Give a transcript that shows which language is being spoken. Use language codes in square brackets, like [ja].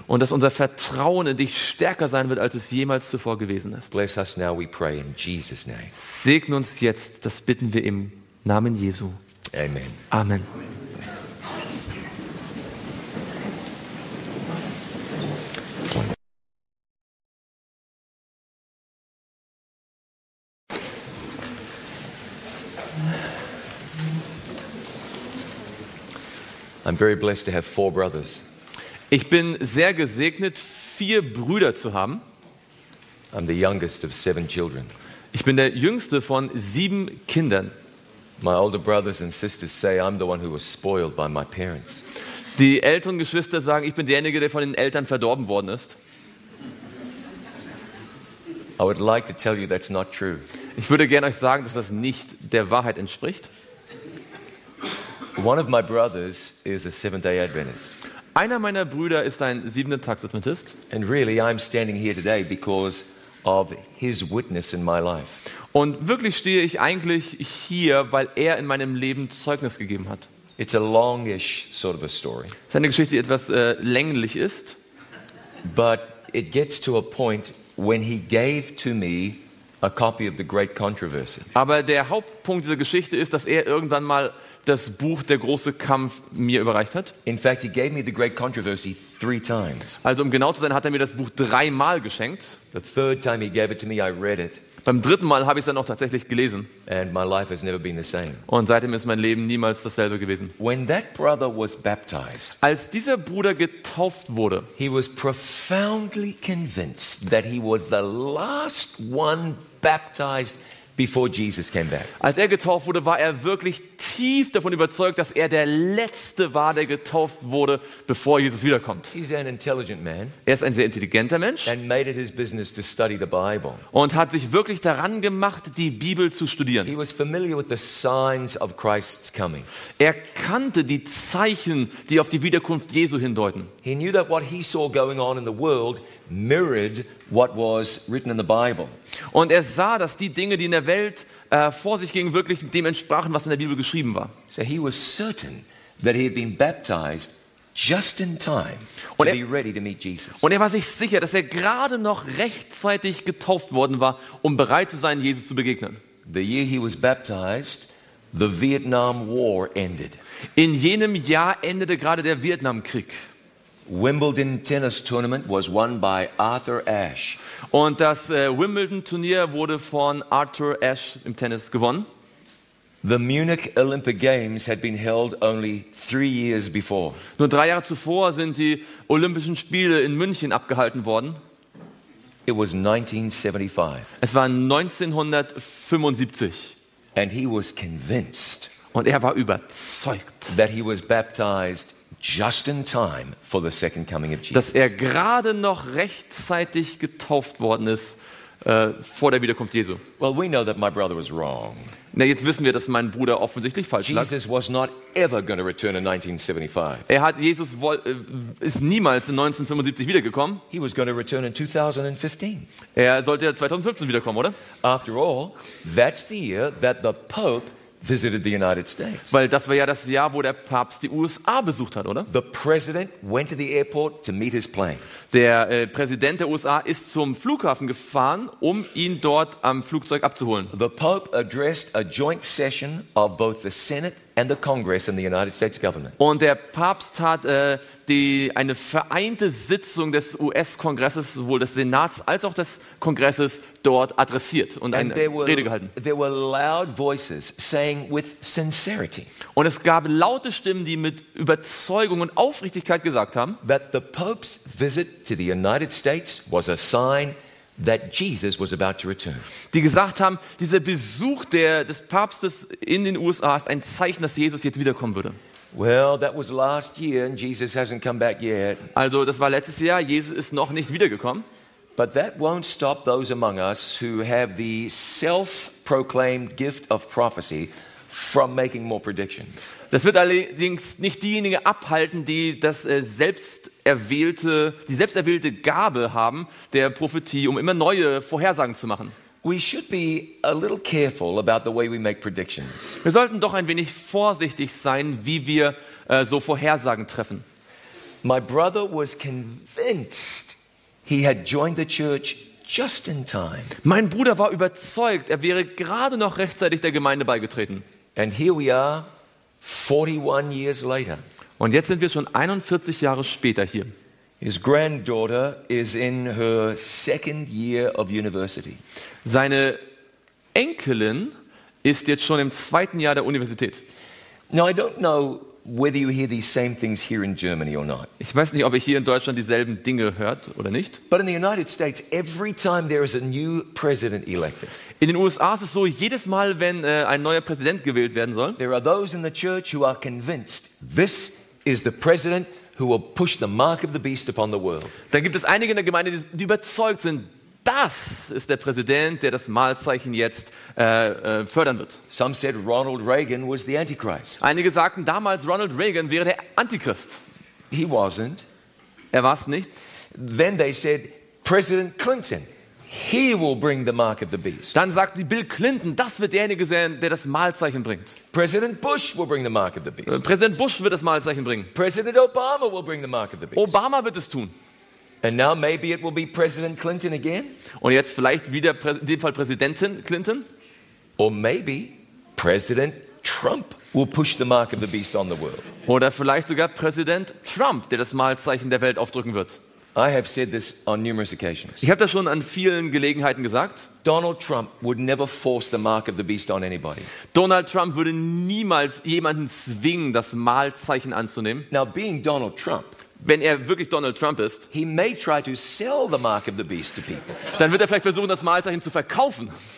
[de] Und dass unser Vertrauen in dich stärker sein wird, als es jemals zuvor gewesen ist. [en] Bless us now, we pray in Jesus' name. [de] Segne uns jetzt, das bitten wir im Namen Jesu. [en] Amen. [de] Amen. [en] I'm very blessed to have four brothers. [de] Ich bin sehr gesegnet, vier Brüder zu haben. [en] I'm the youngest of seven children. [de] Ich bin der jüngste von sieben Kindern. [en] My older brothers and sisters say I'm the one who was spoiled by my parents. [de] Die älteren Geschwister sagen, ich bin derjenige, der von den Eltern verdorben worden ist. [en] I would like to tell you that's not true. [de] Ich würde gerne euch sagen, dass das nicht der Wahrheit entspricht. [en] One of my brothers is a Seventh-day Adventist. [de] Einer meiner Brüder ist ein Siebenten-Tags-Adventist. [en] And really, I'm standing here today because of his witness in my life. [de] Und wirklich stehe ich eigentlich hier, weil er in meinem Leben Zeugnis gegeben hat. [en] It's a longish sort of a story. [de] Es ist eine Geschichte, die etwas länglich ist. [en] But it gets to a point when he gave to me a copy of the Great Controversy. [de] Aber der Hauptpunkt dieser Geschichte ist, dass er irgendwann mal das Buch Der große Kampf mir überreicht hat. [en] In fact, he gave me the Great Controversy three times. [de] Also um genau zu sein, hat er mir das Buch dreimal geschenkt. [en] The third time he gave it to me, I read it. [de] Beim dritten Mal habe ich es dann auch tatsächlich gelesen. [en] And my life has never been the same. [de] Und seitdem ist mein Leben niemals dasselbe gewesen. [en] When that brother was baptized, [de] als dieser Bruder getauft wurde, [en] he was profoundly convinced that he was the last one baptized before Jesus came back. [de] Als er getauft wurde, war er wirklich tief davon überzeugt, dass er der Letzte war, der getauft wurde, bevor Jesus wiederkommt. [en] He's an intelligent man. [de] Er ist ein sehr intelligenter Mensch. [en] And made it his business to study the Bible. [de] Und hat sich wirklich daran gemacht, die Bibel zu studieren. [en] He was familiar with the signs of Christ's coming. [de] Er kannte die Zeichen, die auf die Wiederkunft Jesu hindeuten. [en] He knew that what he saw going on in the world mirrored what was written in the Bible. [de] Und er sah, dass die Dinge, die in der Welt vor sich gingen, wirklich dem entsprachen, was in der Bibel geschrieben war. [en] So he was certain that he had been baptized just in time to be ready to meet Jesus. [de] Und er war sich sicher, dass er gerade noch rechtzeitig getauft worden war, um bereit zu sein, Jesus zu begegnen. [en] The year he was baptized, the Vietnam War ended. [de] In jenem Jahr endete gerade der Vietnamkrieg. [en] Wimbledon Tennis Tournament was won by Arthur Ashe. [de] Und das Wimbledon Turnier wurde von Arthur Ashe im Tennis gewonnen. [en] The Munich Olympic Games had been held only 3 years before. [de] Nur 3 Jahre zuvor sind die Olympischen Spiele in München abgehalten worden. [en] It was 1975. [de] Es war 1975. [en] And he was convinced. [de] Und er war überzeugt, [en] that he was baptized just in time for the second coming of Jesus. [de] Dass er gerade noch rechtzeitig getauft worden ist vor der Wiederkunft Jesu. [en] Well, we know that my brother was wrong. [de] Na, jetzt wissen wir, dass mein Bruder offensichtlich falsch lag. [en] Jesus was not ever going to return in 1975. [de] Jesus ist niemals in 1975 wiedergekommen. [en] He was going to return in 2015. [de] Er sollte ja 2015 wiederkommen, oder? [en] After all, that's the year that the Pope visited the United States. [de] Weil das war ja das Jahr, wo der Papst die USA besucht hat, oder? [en] The president went to the airport to meet his plane. [de] Der Präsident der USA ist zum Flughafen gefahren, um ihn dort am Flugzeug abzuholen. [en] The Pope addressed a joint session of both the Senate and the Congress and the United States government. [de] Und der Papst hat eine vereinte Sitzung des US-Kongresses, sowohl des Senats als auch des Kongresses, dort adressiert und Rede gehalten. [en] There were loud voices saying with sincerity, [de] und es gab laute Stimmen, die mit Überzeugung und Aufrichtigkeit gesagt haben, [en] that the Pope's visit to the United States was a sign that Jesus was about to return. [de] Die gesagt haben, dieser Besuch des Papstes in den USA ist ein Zeichen, dass Jesus jetzt wiederkommen würde. [en] Well, that was last year and Jesus hasn't come back yet. [de] Also, das war letztes Jahr, Jesus ist noch nicht wiedergekommen. [en] But that won't stop those among us who have the self-proclaimed gift of prophecy from making more predictions. [de] Das wird allerdings nicht diejenigen abhalten, die die selbst erwählte Gabe haben, der Prophetie, um immer neue Vorhersagen zu machen. [en] We should be a little careful about the way we make predictions. [de] Wir sollten doch ein wenig vorsichtig sein, wie wir so Vorhersagen treffen. [en] My brother was convinced he had joined the church just in time. [de] Mein Bruder war überzeugt, er wäre gerade noch rechtzeitig der Gemeinde beigetreten. [en] And here we are, 41 years later. [de] Und jetzt sind wir schon 41 Jahre später hier. [en] His granddaughter is in her second year of university. [de] Seine Enkelin ist jetzt schon im zweiten Jahr der Universität. [en] Now I don't know whether you hear these same things here in Germany or not. [de] Ich weiß nicht, ob ihr hier in Deutschland dieselben Dinge hört oder nicht. [en] But in the United States, every time there is a new president elected. [de] In den USA ist es so, jedes Mal, wenn ein neuer Präsident gewählt werden soll. [en] There are those in the church who are convinced this is the president who will push the mark of the beast upon the world. [de] Dann gibt es einige in der Gemeinde, die überzeugt sind, das ist der Präsident, der das Malzeichen jetzt fördern wird. [en] Some said Ronald Reagan was the Antichrist. [de] Einige sagten damals, Ronald Reagan wäre der Antichrist. [en] He wasn't. [de] Er war es nicht. [en] Then they said President Clinton, he will bring the mark of the beast. [de] Dann sagten die Bill Clinton, das wird derjenige sein, der das Malzeichen bringt. [en] President Bush will bring the mark of the beast. [de] Präsident Bush wird das Malzeichen bringen. [en] President Obama will bring the mark of the beast. [de] Obama wird es tun. [en] And now maybe it will be President Clinton again. [de] Und jetzt vielleicht wieder in dem Fall Präsidentin Clinton. [en] Or maybe President Trump will push the mark of the beast on the world. [de] Oder vielleicht sogar Präsident Trump, der das Malzeichen der Welt aufdrücken wird. [en] I have said this on numerous occasions. [de] Ich habe das schon an vielen Gelegenheiten gesagt. [en] Donald Trump would never force the mark of the beast on anybody. [de] Donald Trump würde niemals jemanden zwingen, das Malzeichen anzunehmen. [en] Now being Donald Trump, [de] wenn er wirklich Donald Trump ist, [en] he may try to sell the mark of the beast to people. [de] Dann wird er vielleicht versuchen, das Malzeichen zu verkaufen.